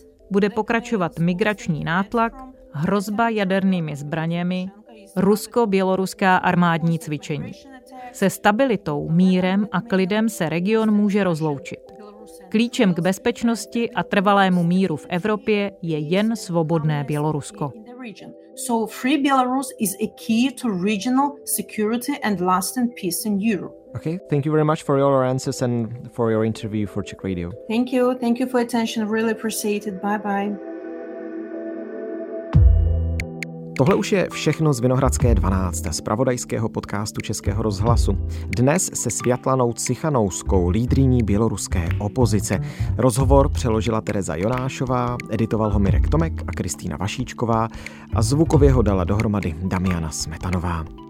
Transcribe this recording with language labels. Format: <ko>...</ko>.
<cs>Bude pokračovat migrační nátlak, hrozba jadernými zbraněmi, rusko-běloruská armádní cvičení. Se stabilitou, mírem a klidem se region může rozloučit. Klíčem k bezpečnosti a trvalému míru v Evropě je jen svobodné Bělorusko.</cs> <en>So free Belarus is a key to regional security and lasting peace in Europe. Okay, thank you very much for your answers and for your interview for Czech Radio. Thank you for attention, really appreciate it. Bye bye.</en> <cs>Tohle už je všechno z Vinohradské 12, z pravodajského podcastu Českého rozhlasu. Dnes se Světlanou Cichanouskou, lídriní běloruské opozice. Rozhovor přeložila Tereza Jonášová, editoval ho Mirek Tomek a Kristýna Vašíčková a zvukově ho dala dohromady Damiana Smetanová.</cs>